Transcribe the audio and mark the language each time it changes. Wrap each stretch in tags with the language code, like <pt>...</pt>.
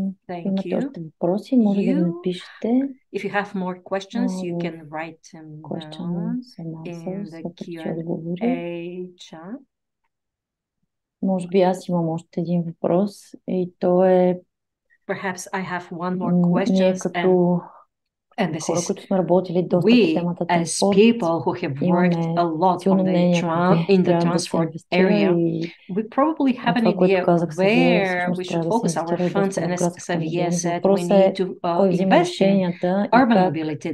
<bg>Имате още въпроси, може да ми напишете.</bg> <en>If you have more questions, you can write them down in the Q&A chat.</en> <bg>Може би аз имам още един въпрос и то е...</bg> <en>Perhaps I have one more question. And this is, we as people who have worked a lot on the in the transport area, we probably have an idea where we should focus our funds, and as Xavier said, we need to invest in urban mobility.</en>